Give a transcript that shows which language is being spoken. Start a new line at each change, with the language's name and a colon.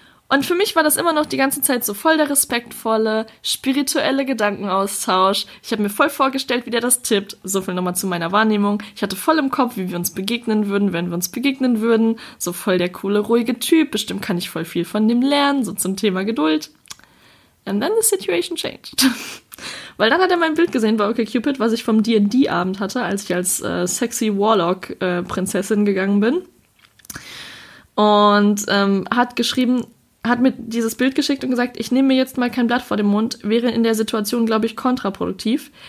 German: Und für mich war das immer noch die ganze Zeit so voll der respektvolle, spirituelle Gedankenaustausch. Ich habe mir voll vorgestellt, wie der das tippt. So viel nochmal zu meiner Wahrnehmung. Ich hatte voll im Kopf, wie wir uns begegnen würden, wenn wir uns begegnen würden. So voll der coole, ruhige Typ. Bestimmt kann ich voll viel von dem lernen, so zum Thema Geduld.
English: And then the situation changed.
German: Weil dann hat er mein Bild gesehen bei OkCupid, was ich vom D&D-Abend hatte, als ich als sexy Warlock-Prinzessin gegangen bin. Und hat geschrieben, hat mir dieses Bild geschickt und gesagt, ich nehme mir jetzt mal kein Blatt vor den Mund, wäre in der Situation, glaube ich, kontraproduktiv.